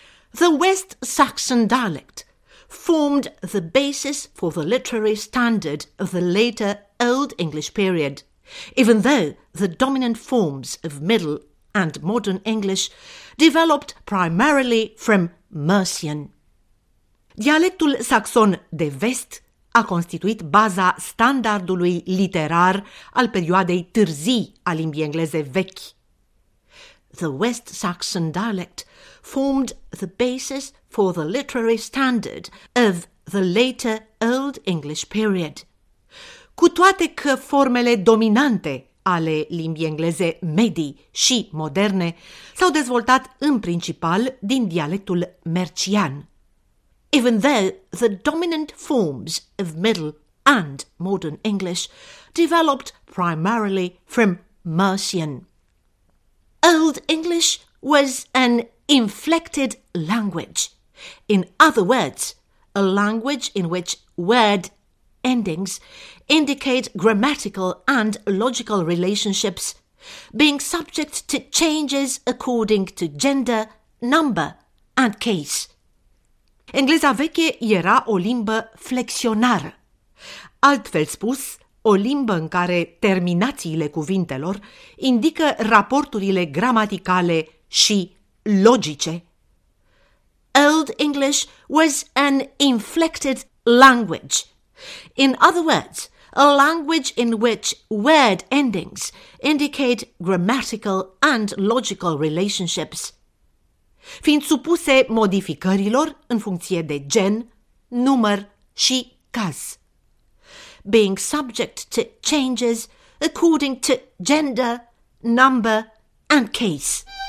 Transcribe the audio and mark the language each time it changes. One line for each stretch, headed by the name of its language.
English: The West Saxon dialect formed the basis for the literary standard of the later Old English period, even though the dominant forms of Middle and Modern English developed primarily from Mercian.
Romanian: Dialectul saxon de vest a constituit baza standardului literar al perioadei târzii a limbii engleze vechi.
English: The West Saxon dialect formed the basis for the literary standard of the later Old English period.
Romanian: Cu toate că formele dominante ale limbii engleze medii și moderne s-au dezvoltat în principal din dialectul mercian.
English: Even though the dominant forms of Middle and Modern English developed primarily from Mercian. Old English was an inflected language. In other words, a language in which word endings indicate grammatical and logical relationships, being subject to changes according to gender, number, and case.
Romanian: Engleza veche era o limbă flexionară. Altfel spus, o limbă în care terminațiile cuvintelor indică raporturile gramaticale și logice.
English: Old English was an inflected language. In other words, a language in which word endings indicate grammatical and logical relationships.
Romanian: Fiind supuse modificărilor în funcție de gen, număr și caz.
English: Being subject to changes according to gender, number and case.